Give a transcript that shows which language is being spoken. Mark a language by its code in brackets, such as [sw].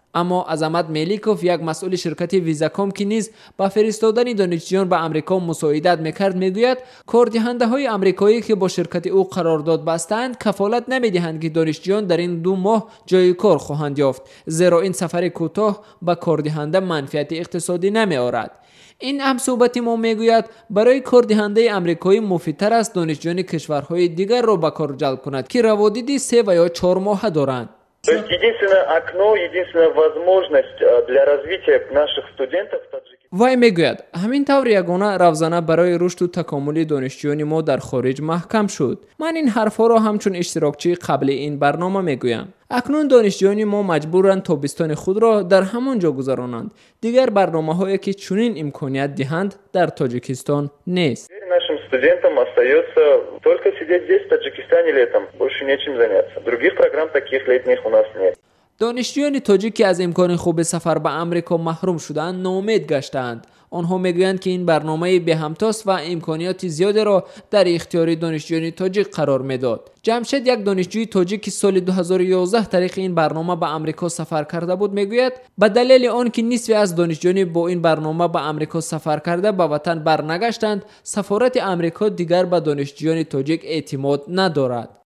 [fa] اما عظمت ملیکوف یک مسئول شرکت ویزاکام که نیز با فرستادن دانشجویان به آمریکا مساعدت میکرد میگوید کاردهنده های آمریکایی که با شرکت او قرارداد بستند کفالت نمیدهند که دانشجویان در این دو ماه جای کار خواهند یافت زیرا این سفر کوتاه با کاردهنده منفعت اقتصادی نمیآورد. این هم صحبت ما میگوید برای کاردهنده آمریکایی مفیدتر است دانشجویان کشورهای دیگر را به کار جلب کند که روادید 3 و یا 4 ماهه دارند. [ru] То есть единственное окно, единственная возможность для развития наших студентов в Таджикистане. [fa] وای میگوید همین طور یگانه روزانه برای رشد و تکامل دانشجویان ما در خارج محکم شد. من این حرفا را همچون اشتراکچی قبل این برنامه میگویم. اکنون دانشجویان ما مجبورند تابستان خود را در همان جا گذرانند. دیگر برنامه هایی که چنین امکانیت دهند در تاجیکستان نیست. [ru] нашим студентам остаётся только сидеть здесь в Таджикистане летом, больше нечем заняться. Других программ таких летних у нас нет. [fa] دانشجویان تاجیک که از امکان خوب سفر به آمریکا محروم شدند ناامید گشتند. آنها میگویند که این برنامه به همتاست و امکانات زیادی را در اختیار دانشجویان تاجیک قرار میداد. جمشید یک دانشجوی تاجیک که سال 2011 طریق این برنامه به آمریکا سفر کرده بود میگوید به دلیل آن که نصفی از دانشجویان با این برنامه به آمریکا سفر کرده به وطن برنگشتند سفارت آمریکا دیگر به دانشجویان تاجیک اعتماد ندارد.